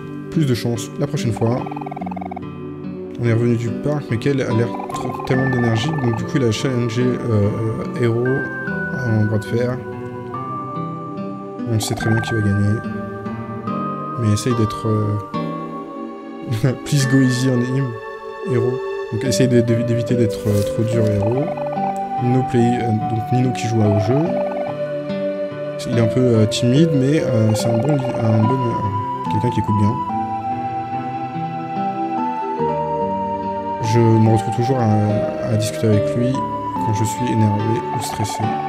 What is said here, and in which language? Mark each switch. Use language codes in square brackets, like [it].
[fr] Plus de chance la prochaine fois. On est revenu du parc, mais Kel a l'air tellement d'énergie. Donc, du coup, il a challengé héros en bras de fer. On sait très bien qu'il va gagner. Mais essaye d'être. [en] Please go easy on him, héros. [fr] Donc essayez d'éviter d'être trop dur héros. Donc Nino qui joue au jeu. Il est un peu timide, mais c'est quelqu'un qui écoute bien. Je me retrouve toujours à discuter avec lui quand je suis énervé ou stressé.